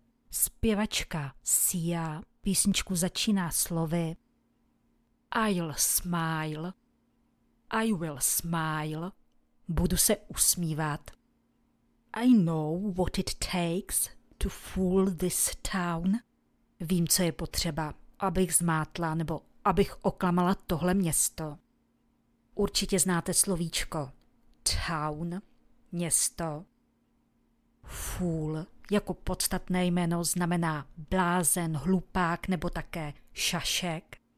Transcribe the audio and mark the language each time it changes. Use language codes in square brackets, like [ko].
[cs] Zpěvačka Sia písničku začíná slovy [en] I will smile, [cs] budu se usmívat. [en] I know what it takes to fool this town. [cs] Vím, co je potřeba, abych zmátla nebo abych oklamala tohle město. Určitě znáte slovíčko town, město. Fool jako podstatné jméno znamená blázen, hlupák nebo také šašek.